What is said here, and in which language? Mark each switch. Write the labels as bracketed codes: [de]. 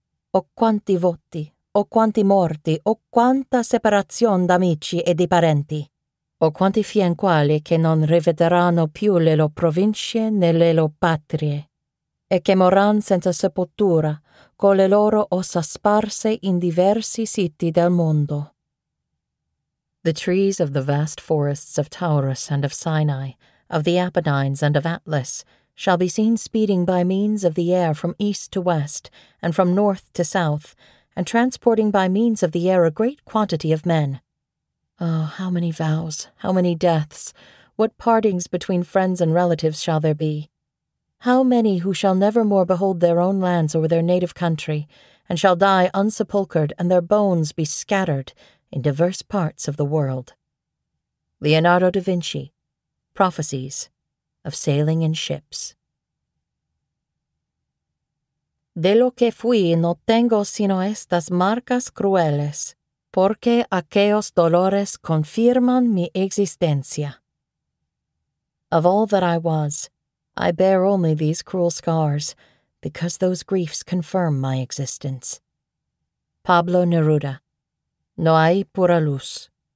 [it] O quanti voti! O quanti morti, o quanta separazion d'amici e di parenti, o quanti fien quali che non rivedranno più le lo provincie né le lo patrie, e che moran senza sepoltura, con le loro ossa sparse in diversi siti del mondo. [en] The trees of the vast forests of Taurus and of Sinai, of the Apennines and of Atlas, shall be seen speeding by means of the air from east to west, and from north to south, and transporting by means of the air a great quantity of men. Oh, how many vows, how many deaths, what partings between friends and relatives shall there be! How many who shall never more behold their own lands or their native country, and shall die unsepulchred, and their bones be scattered in diverse parts of the world. Leonardo da Vinci, Prophecies of Sailing in Ships. [es] De lo que fui no tengo sino estas marcas crueles, porque aquellos dolores confirman mi existencia. [en] Of all that I was, I bear only these cruel scars, because those griefs confirm my existence. [es] Pablo Neruda. No hay pura luz.